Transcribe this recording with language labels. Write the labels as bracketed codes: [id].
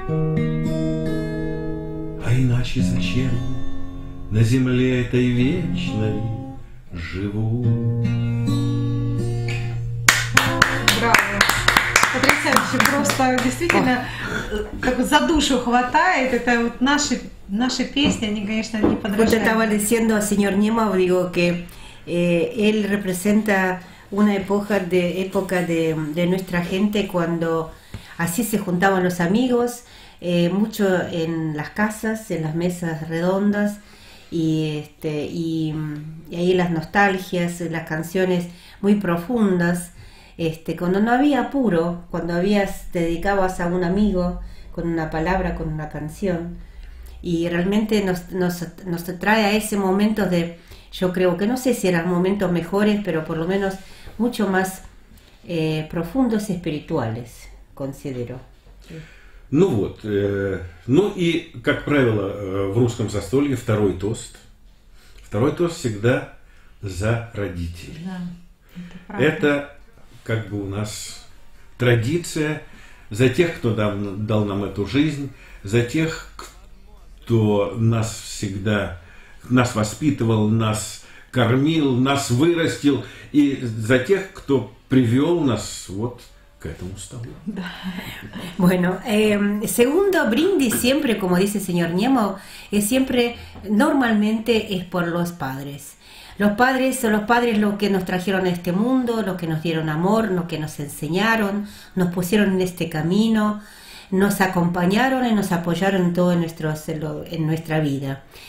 [ru] А иначе зачем на земле этой вечной живу? Браво! Потрясающе! Просто действительно как за душу хватает. Это вот наши песни, они, конечно, не подражают. [es] Вот estaba diciendo señor Nemo, digo que él representa una época de nuestra gente, cuando así se juntaban los amigos, mucho en las casas, en las mesas redondas, y ahí las nostalgias, las canciones muy profundas, cuando no había apuro, cuando te dedicabas a un amigo con una palabra, con una canción, y realmente nos trae a ese momento de, yo creo que no sé si eran momentos mejores, pero por lo menos mucho más profundos espirituales, considero. [ru] Ну вот. Ну и, как правило, в русском застолье второй тост. Второй тост всегда за родителей. Да, это как бы у нас традиция. За тех, кто дал нам эту жизнь, за тех, кто нас всегда, нас воспитывал, нас кормил, нас вырастил, и за тех, кто привел нас вот к этому столу. Да. [es] Bueno, segundo brindis siempre, como dice señor Немо, es siempre, normalmente es por los padres. Los padres son los padres los que nos trajeron a este mundo, los que nos dieron amor, los que nos enseñaron, nos pusieron en este camino, nos acompañaron y nos apoyaron todo en nuestra vida.